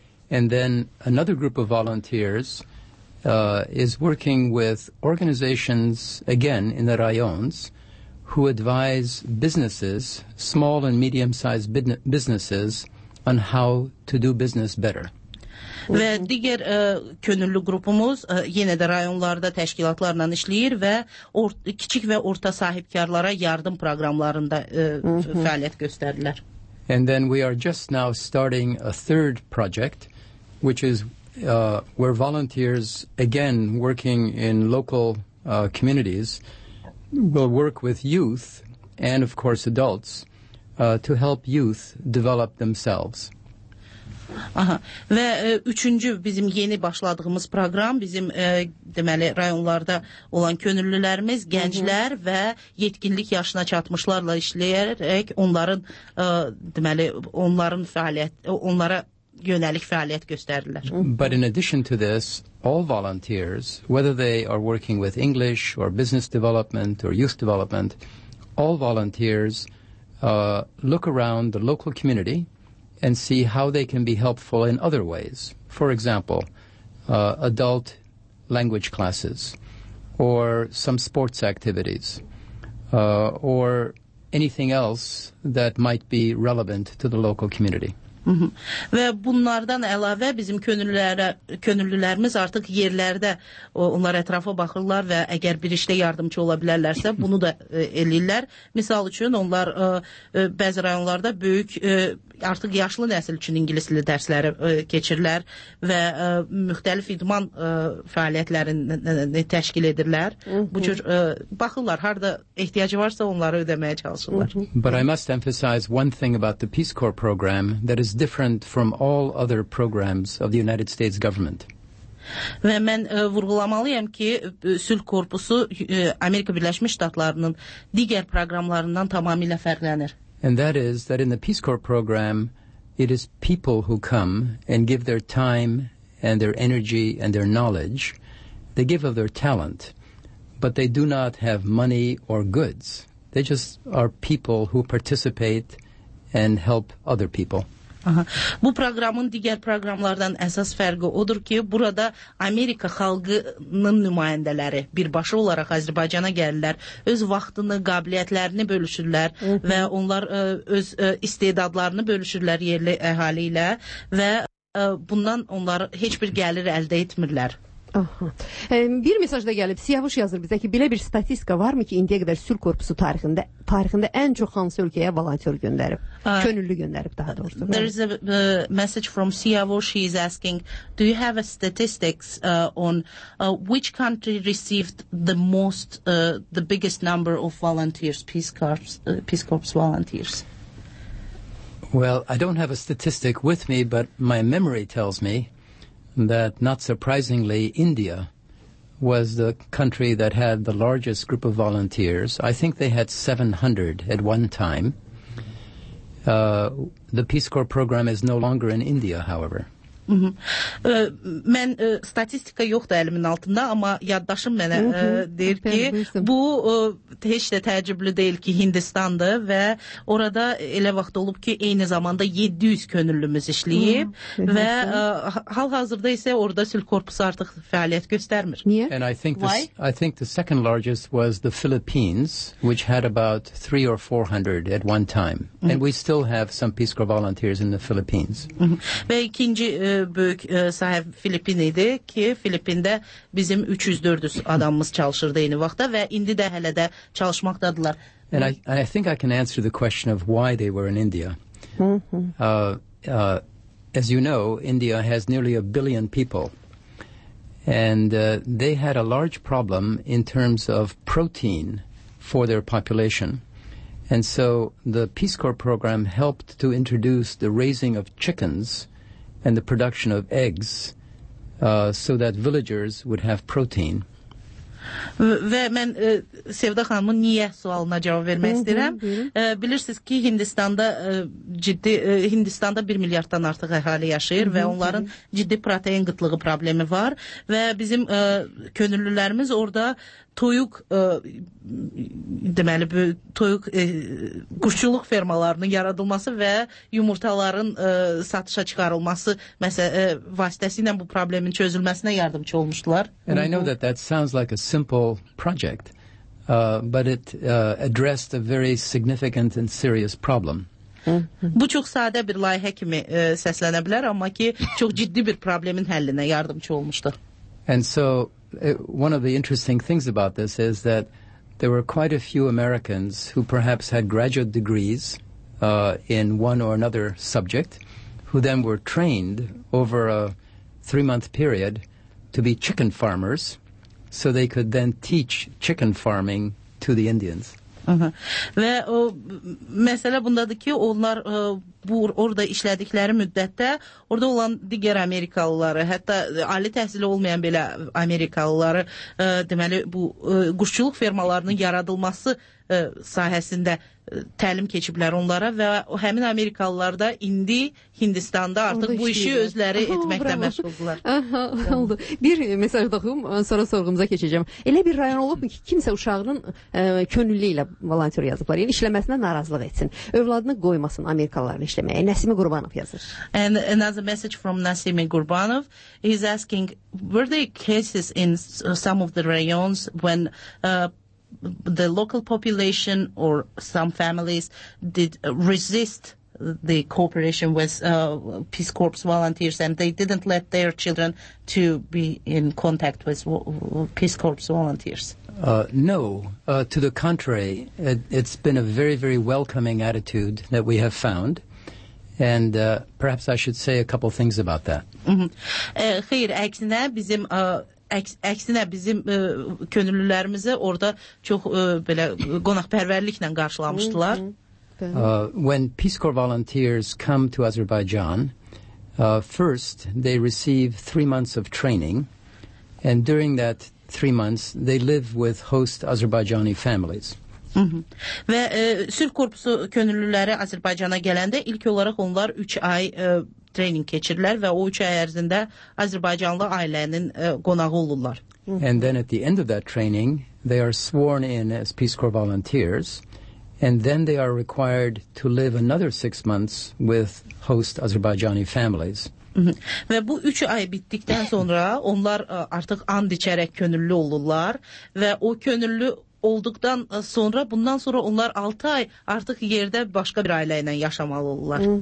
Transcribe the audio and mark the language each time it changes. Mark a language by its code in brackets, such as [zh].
[en] And then another group of volunteers is working with organizations, again, in the rayons, who advise businesses, small and medium-sized businesses, on how to do business better. [az] Və digər könüllü qrupumuz yenə də rayonlarda təşkilatlarla işləyir və kiçik və orta sahibkarlara yardım proqramlarında fəaliyyət göstərdilər. [en] And then we are just now starting a third project, which is where volunteers, again working in local communities, will work with youth and of course adults to help youth develop themselves. Aha. [az] Və üçüncü bizim yeni başladığımız proqram bizim deməli rayonlarda olan könüllülərimiz gənclər və yetkinlik yaşına çatmışlarla işləyərək onların deməli onların fəaliyyət onlara yönəlik fəaliyyət göstərdilər. [en] But in addition to this, all volunteers, whether they are working with English or business development or youth development, all volunteers look around the local community and see how they can be helpful in other ways. For example, adult language classes or some sports activities or anything else that might be relevant to the local community. [az] Və bunlardan əlavə bizim könüllülərimiz artıq yerlərdə onlar ətrafa baxırlar və əgər bir işdə yardımcı ola bilərlərsə bunu da eləyirlər. Misal üçün onlar bəzi rayonlarda böyük artıq yaşlı nəsil üçün ingilis dili dərsləri keçirlər və müxtəlif idman fəaliyyətlərini təşkil edirlər. Bu cür baxırlar, harada ehtiyacı varsa onları ödəməyə çalışırlar. [en] But I must emphasize one thing about the Peace Corps program that is different from all other programs of the United States government. [az] Və mən vurğulamalıyam ki, sülh korpusu Amerika Birləşmiş Ştatlarının digər proqramlarından tamamilə fərqlənir. [en] And that is that in the Peace Corps program, it is people who come and give their time and their energy and their knowledge. They give of their talent, but they do not have money or goods. They just are people who participate and help other people. Aha. [az] Bu proqramın digər proqramlardan əsas fərqi odur ki, burada Amerika xalqının nümayəndələri birbaşa olaraq Azərbaycana gəlirlər, öz vaxtını, qabiliyyətlərini bölüşürlər və onlar öz istedadlarını bölüşürlər yerli əhali ilə və bundan onlar heç bir gəlir əldə etmirlər. Bir mesaj da gəlib, Siyavuş yazır bizə ki, belə bir statistika varmı ki, indiyə qədər sülh korpusu tarixində ən çox hansı ölkəyə volontyor göndərib, könüllü göndərib daha doğrusu. [en] There is a message from Siyavuş, he is asking, do you have a statistics on which country received the most, the biggest number of volunteers, Peace Corps volunteers? Well, I don't have a statistic with me, but my memory tells me that, not surprisingly, India was the country that had the largest group of volunteers. I think they had 700 at one time. The Peace Corps program is no longer in India, however. [az] Mən statistika yoxdur əlimin altında, amma yaddaşım mənə deyir ki, bu heç də təəccüblü deyil ki, Hindistandır və orada elə vaxt olub ki, eyni zamanda 700 könüllümüz işləyib və hal-hazırda isə orada sülh korpusu artıq fəaliyyət göstərmir. Niyə? [en] And I think the second largest was the Philippines, which had about 300 or 400 at one time. And we still have some Peace Corps volunteers in the Philippines. [az] Və ikinci böyük sahib Filipin idi ki, Filipində bizim 300-400 adamımız çalışırdı eyni vaxtda və indi də hələ də çalışmaqdadılar. [en] And I think I can answer the question of why they were in India. As you know, India has nearly a billion people. And they had a large problem in terms of protein for their population. And so the Peace Corps program helped to introduce the raising of chickens and the production of eggs so that villagers would have protein. [az] Və mən Sevda xanımın niyə sualına cavab vermək istəyirəm. Bilirsiniz ki, Hindistanda ciddi Hindistanda 1 milyarddan artıq əhali yaşayır və onların ciddi protein qıtlığı problemi var və bizim könüllülərimiz orada toyuq deməli bu toyuq quşçuluq fermalarının yaradılması və yumurtaların satışa çıxarılması vasitəsilə bu problemin çözülməsinə yardımçı olmuşdular. [en] And I know that sounds like a simple project, but it addressed a very significant and serious problem. [az] Bu çox sadə bir layihə kimi səslənə bilər, amma ki çox ciddi bir problemin həllinə yardımçı olmuşdu. [en] And so one of the interesting things about this is that there were quite a few Americans who perhaps had graduate degrees in one or another subject, who then were trained over a three-month period to be chicken farmers, so they could then teach chicken farming to the Indians. [az] Və o məsələ bundadır ki, onlar orada işlədikləri müddətdə orada olan digər amerikalıları, hətta ali təhsili olmayan belə amerikalıları, deməli bu quşçuluq fermalarının yaradılması sahəsində təlim keçiblər onlara və həmin amerikalılar da indi Hindistanda artıq bu işi özləri etməklə məşğuldurlar. Oldu. Bir mesaj da oxuyum, sonra sorğumuza keçəcəm. Elə bir rayon olubmu ki, kimsə uşağının könüllü ilə volontör yazıblar, yəni işləməsinə narazılıq etsin, övladını qoymasın amerikalılarla işləməyə. Nəsimi Qurbanov yazır. [en] And another message from Nasimi Qurbanov. He's asking, were there cases in some of the rayons when the local population or some families did resist the cooperation with Peace Corps volunteers and they didn't let their children to be in contact with Peace Corps volunteers? No, to the contrary, it's been a very, very welcoming attitude that we have found. And perhaps I should say a couple things about that. [az] Xeyr, əksinə bizim əksinə bizim könüllülərimizi orada çox belə qonaqpərvərliklə qarşılamışdılar. [en] When Peace Corps volunteers come to Azerbaijan, first they receive 3 months of training, and during that 3 months they live with host Azerbaijani families. [az] Və sülh korpusu könüllüləri Azərbaycana gələndə ilk olaraq onlar 3 ay training keçirlər və o 3 ay ərzində Azərbaycanlı ailənin qonağı olurlar. [en] And then at the end of that training, they are sworn in as Peace Corps volunteers, and then they are required to live another 6 months with host Azerbaijani families. [az] Və bu 3 ay bitdikdən sonra onlar artıq and içərək könüllü olurlar və o könüllü olduqdan sonra bundan sonra onlar 6 ay artıq yerdə başqa bir ailə ilə yaşamalı olurlar.